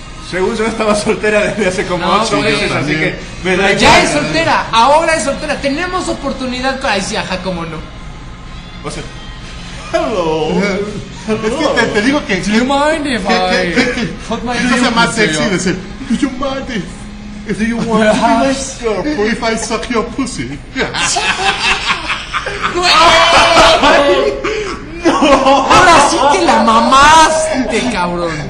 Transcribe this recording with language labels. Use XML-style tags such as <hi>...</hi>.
<es>Según yo estaba soltera desde hace como 8 meses, también. Así que... Pero ya es soltera, ahora es soltera. Tenemos oportunidad con... Ay, sí, ajá, cómo no. O sea... Hello. Es que te digo que...</es> <en>Do you mind if I...</en> <es>¿Qué cosa más sexy de decir?</es> <en>Do you mind if... If you want to be my girlfriend, if I suck your pussy? No.</en> <es>Ahora sí que la mamaste, cabrón.</es>